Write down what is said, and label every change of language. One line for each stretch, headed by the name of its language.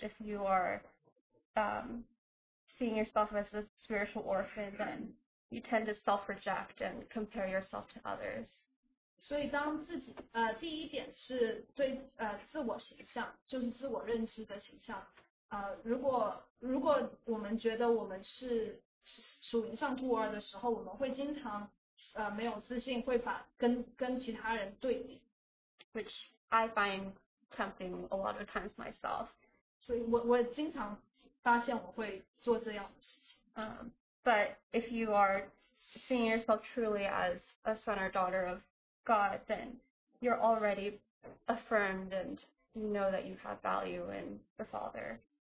English: If you are seeing yourself as a spiritual orphan, then you tend to self-reject and compare yourself to others.
Chinese: 所以当自己，第一点是对自我形象，就是自我认知的形象。如果我们觉得我们是属灵上孤儿的时候，我们会经常没有自信，会把跟其他人对比。
English: Which I find tempting a lot of times myself.
Chinese: 所以我经常发现我会做这样的事情。
English: But if you are seeing yourself truly as a son or daughter of God, then you're already affirmed and you know that you have value in the Father.